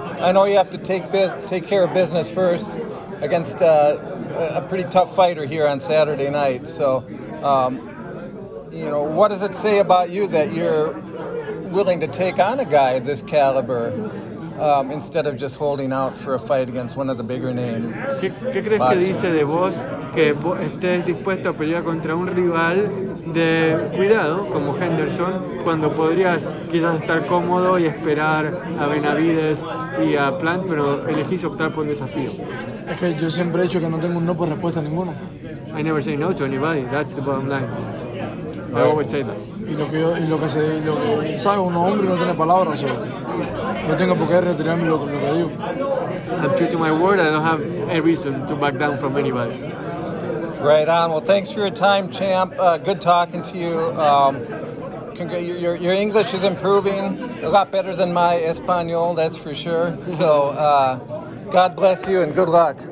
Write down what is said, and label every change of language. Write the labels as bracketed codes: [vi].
[en] I know you have to take take care of business first against a pretty tough fighter here on Saturday night. So, you know, what does it say about you that you're willing to take on a guy of this caliber instead of just holding out for a fight against one of the bigger name? [es] ¿Qué crees boxer? Que dice de vos que vos estés dispuesto a pelear contra un rival de cuidado como Henderson cuando podrías quizás estar cómodo y esperar a Benavides y a Plant, pero elegís optar por un desafío? Es que yo siempre he dicho que no tengo un no por respuesta a ninguno. [en] I never say no to anybody, that's the bottom line. I always say that. [es] Y lo que sabe uno hombre no tiene palabras, o no tengo por qué retirarme lo que digo. [en] I'm true to my word, I don't have a reason to back down from anybody. Right on. Well, thanks for your time, champ. Good talking to you. Your English is improving a lot better than my Espanol, that's for sure. So God bless you and good luck.